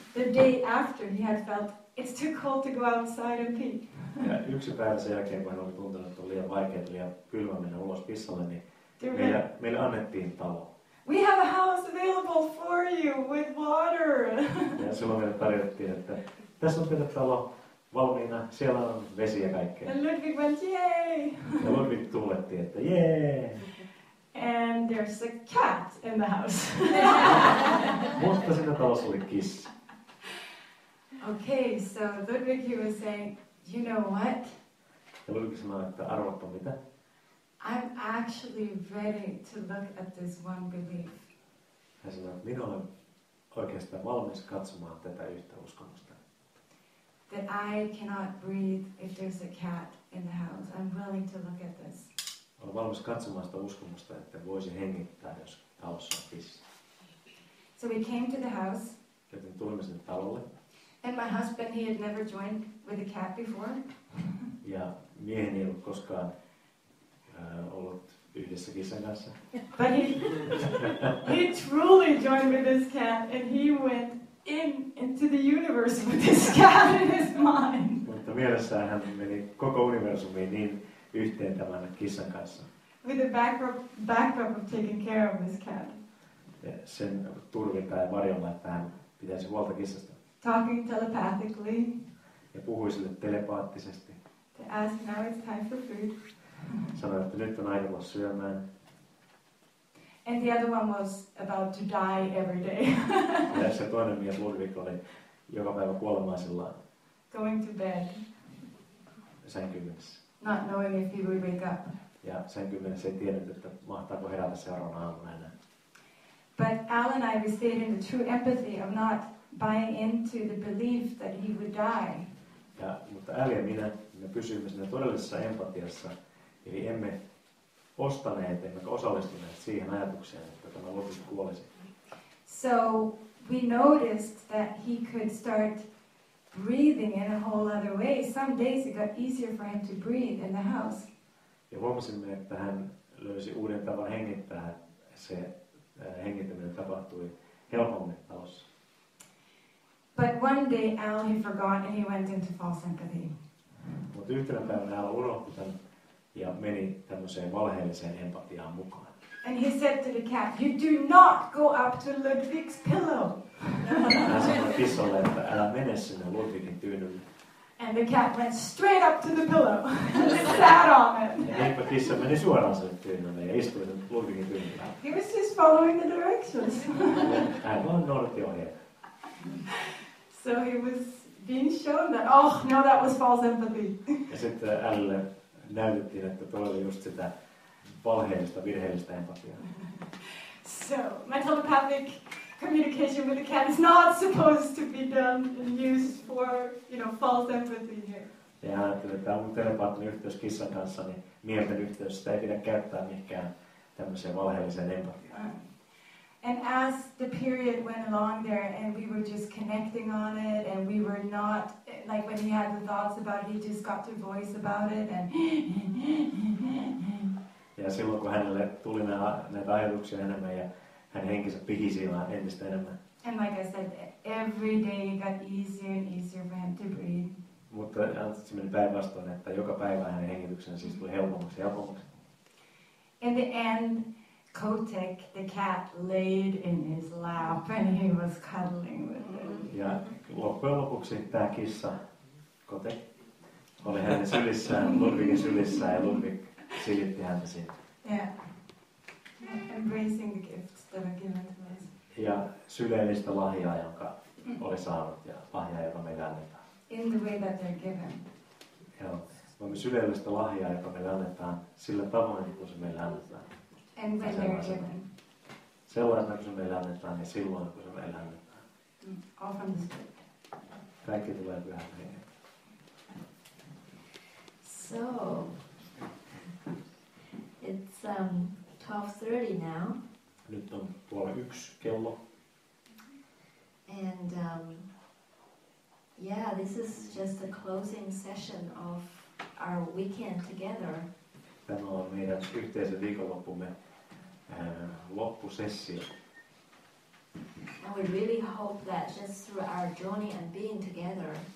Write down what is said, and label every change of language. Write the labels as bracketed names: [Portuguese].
[English] The day after he had felt it's too cold to go outside and pee. [Finnish] Ja yksi päivä sen jälkeen, kun hän oli tuntunut, että on liian vaikeaa, liian kylmä mennä ulos pissalle, niin meille annettiin talo. [English] We have a house available for you with water. [Finnish] Ja silloin meille tarjottiin, että tässä on teidän talo valmiina, siellä on vesi ja kaikkea. [English] And Ludwig went, yay! [Finnish] Ja Ludwig tuulettiin, että yay! [English] And there's a cat in the house. [Finnish] Mutta siinä talossa oli kissa. [English] Okay, so Ludwig, he was saying, you know what? [Finnish] Ja Ludwig sanoi, että arvoppa mitä? [English] I'm actually ready to look at this one belief. [Finnish] Hän sanoi, minä olen oikeastaan valmis katsomaan tätä yhtä uskomusta. [English] That I cannot breathe if there's a cat in the house. I'm willing to look at this. [Finnish] Olen valmis katsomaan sitä uskomusta, että voisi hengittää, jos talossa on kissa. [English] So we came to the house. [Finnish] Joten tulimme sinne talolle. [English] And my husband, he had never joined with a cat before. [Finnish] Ja mieheni ei ollut koskaan ollut yhdessä kissan kanssa. [English] But he truly joined with this cat, and he went into the universe with this cat in his mind. [Finnish] Mutta mielessään hän meni koko universumiin niin yhteen tämän kissan kanssa. [English] With the backdrop of taking care of this cat. [Finnish] Ja sen turvin tai varjolla, että hän pitäisi huolta kissasta. [English] Talking telepathically. [Finnish] Ja puhui sille telepaattisesti. [English] To ask now it's time for food. [Finnish] Sanoi, että nyt on aika tulla syömään. [English] And the other one was about to die every day. [Finnish] Ja se toinen mies Ludwig oli joka päivä kuolemaisillaan. [English] Going to bed. [Finnish] Sänkymmenessä. [English] Not knowing if he would wake up. [Finnish] Ja sänkymmenessä ei tiennyt, että mahtaako herätä seuraavana aamuna enää. [English] But Al and I were staying in the true empathy of not buying into the belief that he would die. [Finnish] Ja, mutta Al ja minä, me pysyimme siinä todellisessa empatiassa. Eli emme ostaneet, emmekä osallistuneet siihen ajatukseen, että tämä lopuksi kuolisi. [English] So we noticed that he could start breathing in a whole other way. Some days it got easier for him to breathe in the house. [Finnish] Ja huomasimme, että hän löysi uuden tavan hengittää. Se hengittäminen tapahtui helpommin talossa. [English] But one day Al he forgot and he went into false empathy. [Finnish] Mutta yhtenä päivänä Al unohti tämän ja meni tämmöiseen valheelliseen empatiaan mukaan. [English] And he said to the cat, you do not go up to Ludwig's pillow. [Finnish] Hän sanoi kissalle, että älä mene sinne Ludwigin tyynylle. [English] And the cat went straight up to the pillow and sat on it. [Finnish] Ja heippa kissa meni suoraan sen tyynylle ja istui sen Ludwigin tyynylle. [English] He was just following the directions. [Finnish] Hän vaan noudatti ohjeet. [English] So he was being shown that, oh no, that was false empathy. [Finnish] Ja sitten älle näytettiin, että tuo oli just sitä valheellista, virheellistä empatiaa. [English] So, my telepathic communication with the cat is not supposed to be done and used for, you know, false empathy here. [Finnish] Ja ajattelin, että tämä on telepaattinen yhteys kissan kanssa, niin mielten yhteys, sitä ei pidä käyttää mihinkään tämmöiseen valheelliseen empatiaan. [English] And as the period went along there and we were just connecting on it and we were not, like when he had the thoughts about it, he just got to voice about it and [Finnish] ja silloin kun hänelle tuli näitä ajatuksia enemmän ja hän henkensä pihisi vaan entistä enemmän. [English] And like I said, every day it got easier and easier for him to breathe. [Finnish] Mutta se meni päinvastoin, että joka päivä hänen hengityksensä siis tuli helpommaksi ja helpommaksi. [English] In the end, Kotek, the cat, laid in his lap and he was cuddling with him. [Finnish] Ja loppujen lopuksi tämä kissa, Kotek, oli hänen sylissään, Ludwigin sylissään ja Ludwig silitti häntä siitä. [English] Yeah. Embracing the gifts that are given to us. [Finnish] Ja syleili sitä lahjaa, jonka oli saanut ja lahjaa, jota meille annetaan. [English] In the way that they're given. [Finnish] Joo. Voimme syleili sitä lahjaa, jota meille annetaan sillä tavoin, kun se meille annetaan. [English] And when they're given. [Finnish] Sellaisena, kun se meille annetaan, niin silloin, kun se meille annetaan. [English] All from the script. [Finnish] Kaikki tulee pyhän hengen. [English] So, it's 12:30 now. [Finnish] Nyt on 12:30 kello. [English] And, yeah, this is just the closing session of our weekend together. [Finnish] Tämä on meidän yhteisen viikonloppumme. Loppusessio. [English] And we really hope that just through our journey and being together.